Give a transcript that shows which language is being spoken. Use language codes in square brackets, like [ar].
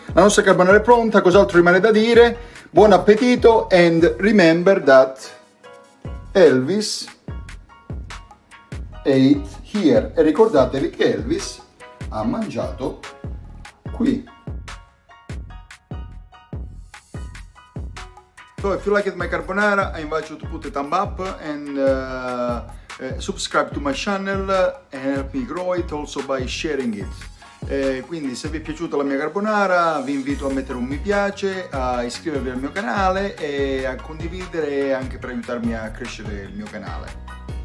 [it] La nostra carbonara è pronta, cos'altro rimane da dire? Buon appetito [en] and remember that Elvis ate here. [it] E ricordatevi che Elvis ha mangiato qui. [en] So, if you liked my carbonara, I invite you to put a thumb up and subscribe to my channel and help me grow it also by sharing it. [it] Quindi se vi è piaciuta la mia carbonara vi invito a mettere un mi piace, a iscrivervi al mio canale e a condividere anche per aiutarmi a crescere il mio canale.